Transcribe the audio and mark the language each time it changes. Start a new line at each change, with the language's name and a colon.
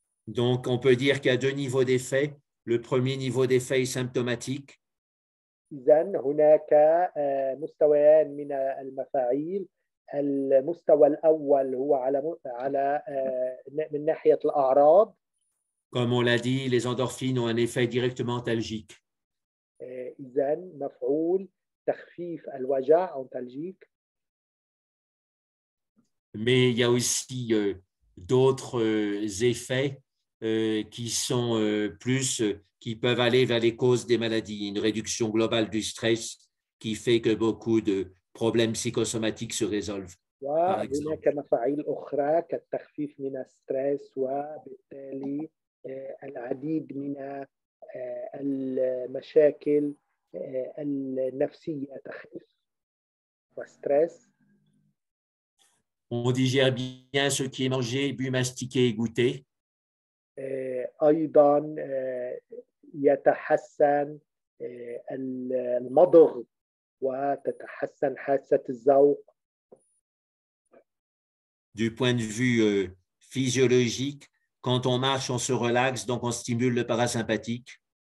French: Donc on peut dire qu'il y a deux niveaux d'effet. Le premier niveau d'effet est symptomatique.
Arabic: إذن هناك مستويان من المفاعيل. المستوى الأول هو على من ناحية الأعراض.
French: Comme on l'a dit, les endorphines ont un effet directement antalgique.
Arabic: إذن مفعول تخفيف الوجع antalgique.
French: Mais il y a aussi d'autres effets qui sont plus, qui peuvent aller vers les causes des maladies. Une réduction globale du stress qui fait que beaucoup de problèmes psychosomatiques se résolvent.
Arabic: وهناك مفاعيل أخرى كالتخفيف من الستريس وبالتالي العديد من المشاكل النفسية تخف والستريس.
French: On digère bien ce qui est mangé, bu, mastiqué et goûté.
Arabic: أيضا يتحسن المضغ وتتحسن حاسة الذوق.
French: Du point de vue physiologique, quand on marche, on se relaxe, donc on stimule le parasympathique.